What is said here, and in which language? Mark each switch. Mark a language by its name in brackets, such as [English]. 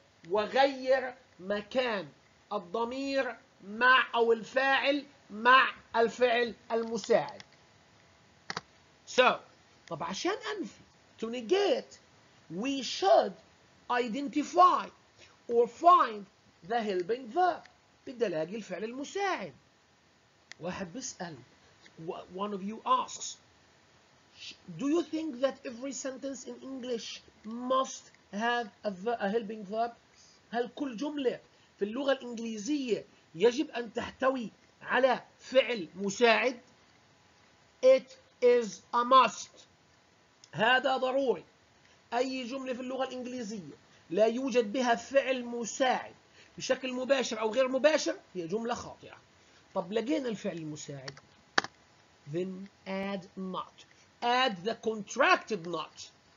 [Arabic] وغير مكان الضمير مع أو الفاعل مع الفعل المساعد so طب عشان أنفي [English] to negate We should identify or find the helping verb. [Arabic] بدي ألاقي الفعل المساعد. واحد بيسأل. [English] One of you asks, Do you think that every sentence in English must have a helping verb? [Arabic] هل كل جملة في اللغة الإنجليزية يجب أن تحتوي على فعل مساعد? [English] It is a must. [Arabic] هذا ضروري. أي جملة في اللغة الإنجليزية لا يوجد بها فعل مساعد بشكل مباشر أو غير مباشر هي جملة خاطئة طب لقينا الفعل المساعد [English] then add not add the contracted not